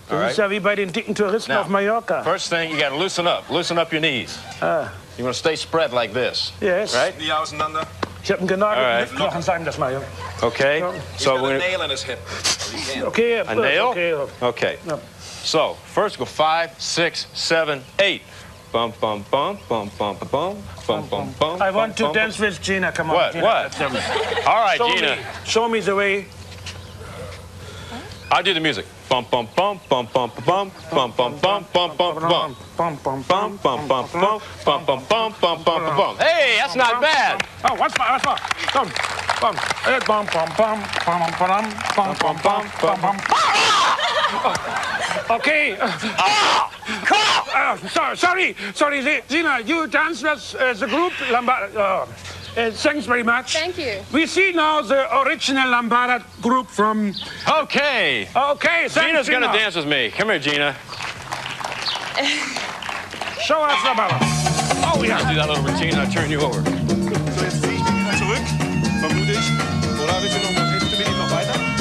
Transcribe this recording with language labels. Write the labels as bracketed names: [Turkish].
[German] Das ist ja wie bei den dicken Touristen auf Mallorca. [English] First thing, you gotta loosen up. Loosen up your knees. You want to stay spread like this. Yes. Right? [German] Knie auseinander. Ich habe einen genagelten Hüftknochen, sagen das mal. [English] Okay. So we're going to nail in his hip. Okay. A nail? Okay. So, first go 5, 6, 7, 8. Bum, bum, bum, bum, bum, bum, bum, bum, bum, bum. I want to dance with Gina. Come on. What? What? All right, Gina. Show me the way. I do the music. Bum bum bum bum bum bum bum bum bum bum bum bum bum bum bum bum bum bum bum bum bum bum bum bum bum. Hey, that's not bad. Oh, once more, once more. Bum bum bum bum bum bum bum bum bum bum bum bum. Okay. Sorry. Gina, you dance with the group Lambada. Thanks very much. Thank you. We see now the original Lambada group from... Okay. Okay, thanks, Gina's going to dance with me. Come here, Gina. Show us Lambada. Oh, yeah. I'll do that little routine and I'll turn you over. [German] So, jetzt ziehe ich mich wieder zurück, vermute ich. Oder willst du noch mit ihm noch weiter?